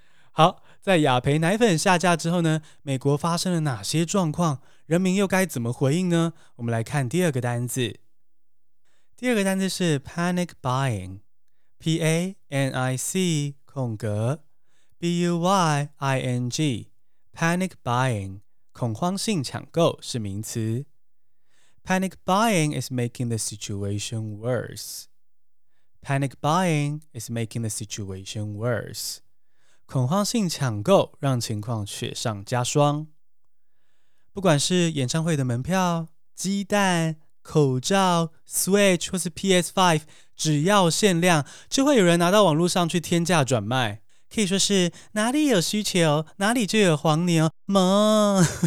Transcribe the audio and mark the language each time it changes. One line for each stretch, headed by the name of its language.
Chinese: 好，在雅培奶粉下架之后呢，美国发生了哪些状况，人民又该怎么回应呢？我们来看第二个单字。第二个单字是 panic buying， PANIC:BUYING， panic buying， 恐慌性抢购是名词。
English: panic buying is making the situation worse， panic buying is making the situation worse，
Chinese: 恐慌性抢购让情况雪上加霜。不管是演唱会的门票、鸡蛋、口罩、Switch 或是 PS5， 只要限量，就会有人拿到网络上去天价转卖，可以说是哪里有需求，哪里就有黄牛嘛。